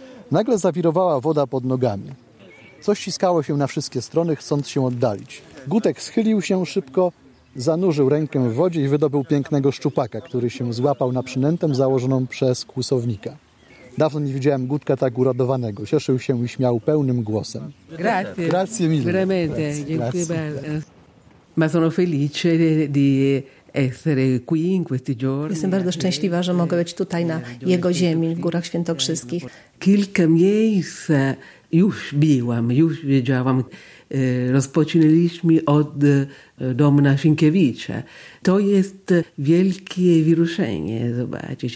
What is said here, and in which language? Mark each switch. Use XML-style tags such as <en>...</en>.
<pl>Nagle zawirowała woda pod nogami. Coś ściskało się na wszystkie strony, chcąc się oddalić. Gutek schylił się szybko, zanurzył rękę w wodzie i wydobył pięknego szczupaka, który się złapał na przynętę założoną przez kłusownika. Dawno nie widziałem Gutka tak uradowanego. Cieszył się i śmiał pełnym głosem.</pl> <it>Grazie. Grazie mille. Veramente.</it> <pl>Dziękuję bardzo.</pl> <it>Ma sono felice di essere qui in questi giorni.</it> <pl>Jestem bardzo szczęśliwa, że mogę być tutaj na jego ziemi, w Górach Świętokrzyskich. Kilka miejsc już byłam, już wiedziałam. Rozpoczynaliśmy od domna Sienkiewicza. To jest wielkie wyruszenie, zobaczysz.</pl>